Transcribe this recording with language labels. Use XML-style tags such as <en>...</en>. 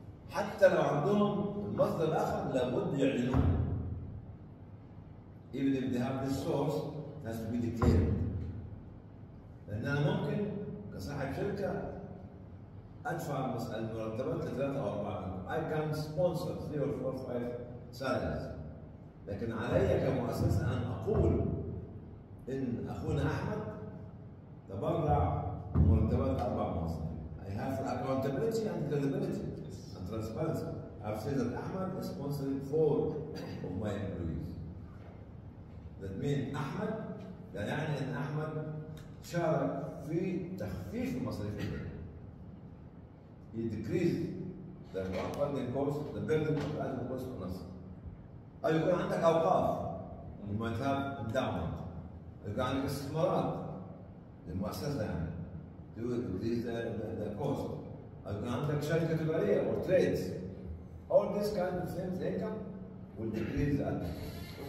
<ar>حتى لو عندهم المصدر الاخر لابد يعلنوه</ar> <en>even if they have this source it has to be declared</en> <ar>لان انا ممكن كصاحب شركه ادفع المرتبات لثلاثه او اربعه</ar> <en>I can sponsor 3 or 4 or 5 salaries.</en> <ar>لكن علي كمؤسسة أن أقول إن أخونا أحمد تبرع مرتبات 4 مصاريف.</ar> <en>I have accountability and credibility and transparency. I've said that Ahmed is sponsoring 4 of my employees. That means</en> <ar>أحمد يعني إن أحمد شارك في تخفيف المصاريف.</ar> <en>He decreased. The funding cost, the building of the added cost on us. Or you can have awqaf, you might have endowment. You can have استثمارات, the مؤسسة to increase the cost. Or you can have شركة تجارية or trades. All these kinds of things, income, will decrease the added cost.</en>